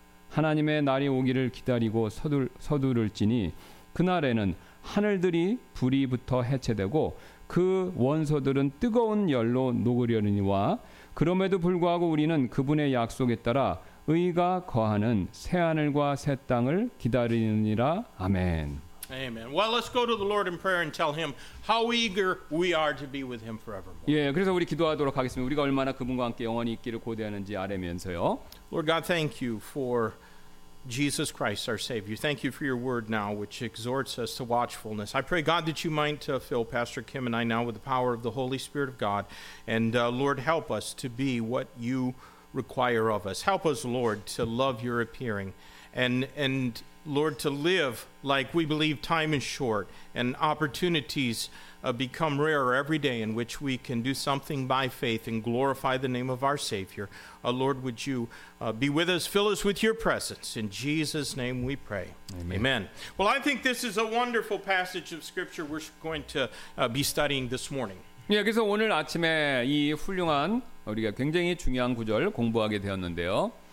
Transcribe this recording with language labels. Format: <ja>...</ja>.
<ko>하나님의 날이 오기를 기다리고 서두를지니 그날에는 하늘들이 불이 붙어 해체되고 그 원소들은 뜨거운 열로 녹으려니와 그럼에도 불구하고 우리는 그분의 약속에 따라 의가 거하는 새하늘과 새 땅을 기다리느니라. 아멘.</ko> <en>Amen. Well, let's go to the Lord in prayer and tell Him how eager we are to be with Him forevermore.</en> <ko>예, 그래서 우리 기도하도록 하겠습니다. 우리가 얼마나 그분과 함께 영원히 있기를 고대하는지 아뢰면서요.</ko> <en>Lord God, thank you for Jesus Christ, our Savior. Thank you for your word now, which exhorts us to watchfulness. I pray, God, that you might fill Pastor Kim and I now with the power of the Holy Spirit of God. And Lord, help us to be what you require of us. Help us, Lord, to love your appearing. And Lord, to live like we believe time is short and opportunities become rarer every day in which we can do something by faith and glorify the name of our Savior. Lord, would you be with us, fill us with your presence. In Jesus' name we pray. Amen. Amen. Well, I think this is a wonderful passage of scripture we're going to be studying this morning.</en> <ko>예, 그래서 오늘 아침에 이 훌륭한 우리가 굉장히 중요한 구절 공부하게 되었는데요.</ko>